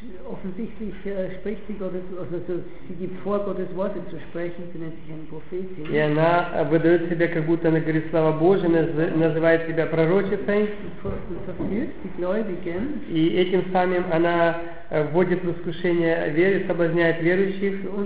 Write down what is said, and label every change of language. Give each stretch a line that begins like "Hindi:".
German: offensichtlich spricht sie Gottes, also sie gibt vor, Gottes Worte zu sprechen, sie nennt sich eine Prophetin.
Russian: И она выдает себя, как будто она говорит слава Божие, называет себя пророчицей.
German: Verführt die Gläubigen.
Russian: И этим самым она вводит в искушение веры, соблазняет верующих.